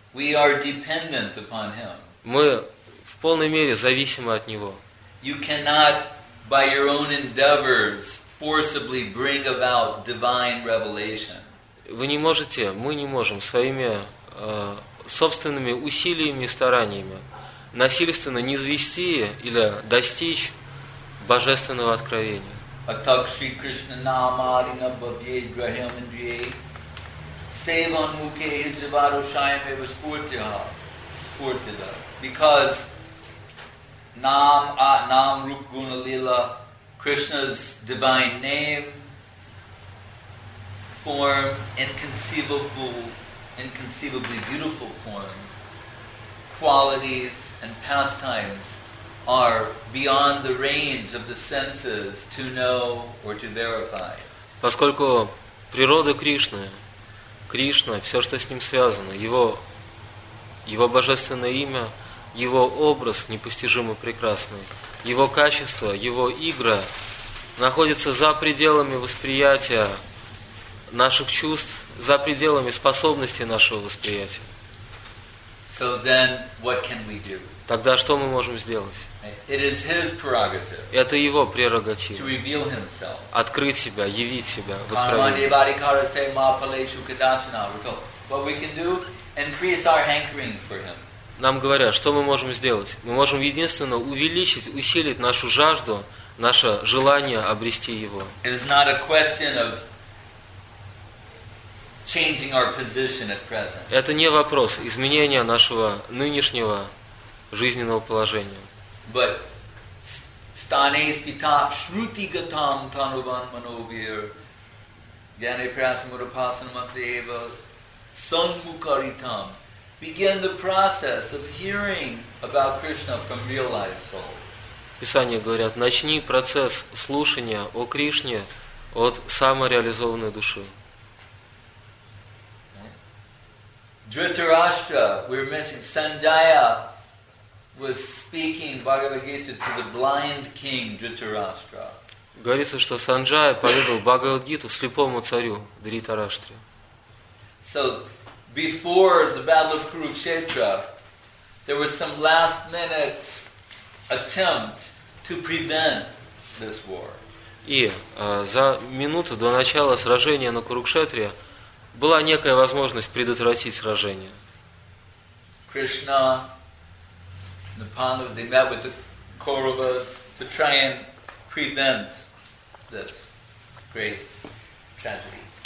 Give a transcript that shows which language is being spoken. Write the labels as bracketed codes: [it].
[en] We are dependent upon him. [ru] Мы в полной мере зависимы от него. [en] You cannot, by your own endeavors, forcibly bring about divine revelation. [ru] Вы не можете, мы не можем своими собственными усилиями и стараниями насильственно низвести или достичь божественного откровения. [sa] Атак Шри Кришна Намади на Бабье Грахам Индрие Севан Муке Хиджавару Шайм Эва Спуртиха Спуртида. [en] Because [sa] Nam At Nam Rup Guna Lila, [en] Krishna's divine name, form, inconceivably beautiful form, qualities and pastimes are beyond the range of the senses to know or to verify. [ru] Поскольку природа Кришны, Кришна, все, что с ним связано, его божественное имя, его образ непостижимо прекрасный, его качество, его игра находится за пределами восприятия наших чувств, за пределами способностей нашего восприятия. [en] So then, what can we do? [ru] Тогда что мы можем сделать? [en] It is his prerogative. [ru] Это его прерогатива. [en] To reveal himself. [ru] Открыть себя, явить себя в откровении. [en] What we can do? Increase our hankering for him. [ru] Нам говорят, что мы можем сделать? Мы можем единственно увеличить, усилить нашу жажду, наше желание обрести его. [en] It is not a question of changing our position at present. [ru] Это не вопрос изменения нашего нынешнего жизненного положения. [sa] But stane stita shruti gatam tanuvan manovir gyane prasamudapasana mateva sanmukaritam. [en] Begin the process of hearing about Krishna from realized souls. [ru] Писания говорят, начни процесс слушания о Кришне от самореализованной души. [en] Dhritarashtra, we were mentioning, Sanjaya was speaking Bhagavad Gita to the blind king Dhritarashtra. [ru] Говорится, что Санджая поведал Бхагавад Гиту слепому царю Дхритараштре. [en] So, before the battle of Kurukshetra, there was some last minute attempt to prevent this war. [ru] И за минуту до начала сражения на Курукшетре была некая возможность предотвратить сражение. [en] Krishna, the Pandavas, they met with the Kauravas to try and prevent this great tragedy.